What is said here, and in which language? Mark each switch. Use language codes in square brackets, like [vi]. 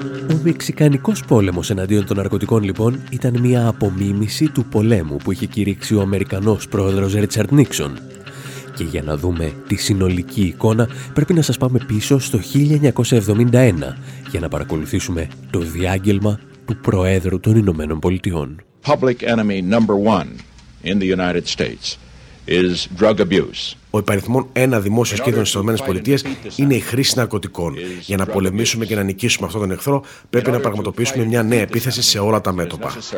[el] Ο Μεξικανικός πόλεμος εναντίον των ναρκωτικών, λοιπόν, ήταν μια απομίμηση του πολέμου που είχε κηρύξει ο Αμερικανός πρόεδρος Ρίτσαρντ Νίξον. Και για να δούμε τη συνολική εικόνα, πρέπει να σας πάμε πίσω στο 1971 για να παρακολουθήσουμε το διάγγελμα του Προέδρου των Ηνωμένων Πολιτειών. [en] Public enemy number one in the United States is drug abuse. [el] Ο υπαριθμόν ένα δημόσιο κίνδυνο στις ΗΠΑ είναι η χρήση ναρκωτικών. Για να πολεμήσουμε και να νικήσουμε αυτόν τον εχθρό, πρέπει να πραγματοποιήσουμε μια νέα επίθεση σε όλα τα μέτωπα.